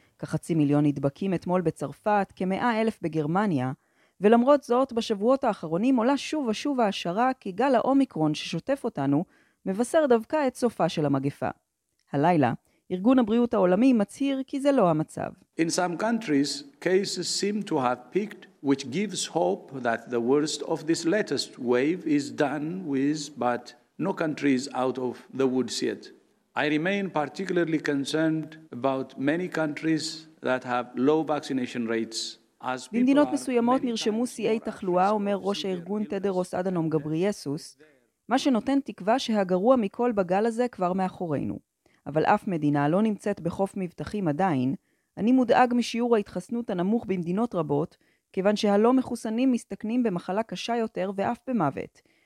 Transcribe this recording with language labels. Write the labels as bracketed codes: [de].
[he] כחצי מיליון נדבקים אתמול בצרפת, כ100,000 בגרמניה, ולמרות זאת, בשבועות האחרונים עולה שוב ושוב ההשערה כי גל האומיקרון ששוטף אותנו מבשר דווקא את סופה של המגפה. הלילה, ארגון הבריאות העולמי מצהיר כי זה לא המצב. [en] In some countries, cases seem to have peaked, which gives hope that the worst of this latest wave is done with, but no country is out of the woods yet. I remain particularly concerned about many countries that have low vaccination rates. [he] במדינות מסוימות נרשמו סיעי תחלואה, אומר ראש הארגון תדרוס אדנום גבריאסוס, מה שנותן תקווה שהגרוע מכל בגל הזה כבר מאחורינו. אבל אף מדינה לא נמצאת בחוף מבטחים עדיין. אני מודאג משיעור ההתחסנות הנמוך במדינות רבות, כיוון שהלא מחוסנים מסתכנים במחלה קשה יותר ואף במוות.